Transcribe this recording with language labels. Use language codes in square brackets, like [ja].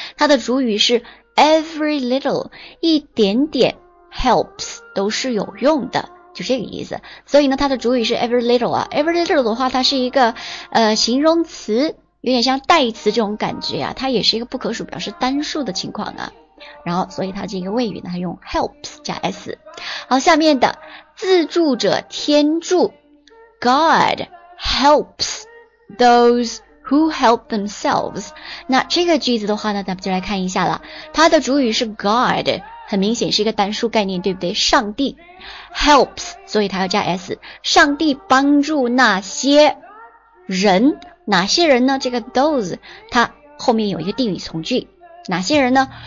[zh] 它的主语是 [en] every little， [zh] 一点点 helps 都是有用的，就这个意思。所以呢它的主语是 [en] every little [zh] 啊， every little 的话它是一个形容词，有点像代词这种感觉啊，它也是一个不可数表示单数的情况啊。然后所以它这个谓语呢它用 helps 加 s。好，下面的自助者天助， [en] God helps those who help themselves。 [zh] 那这个句子的话呢，咱们就来看一下了，它的主语是 God， 很明显是一个单数概念，对不对？上帝 helps， 所以它要加 s， 上帝帮助那些人。哪些人呢？这个 those 它后面有一个定语从句，哪些人呢？